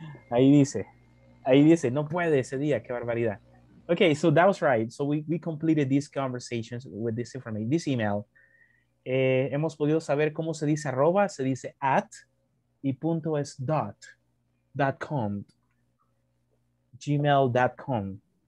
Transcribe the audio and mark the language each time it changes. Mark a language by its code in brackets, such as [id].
[es] Ahí dice, no puede ese día, qué barbaridad. [en] Ok, so that was right. So we completed these conversations with this information, this email. [es] Hemos podido saber cómo se dice arroba, se dice at y punto es dot, dot com, gmail.com.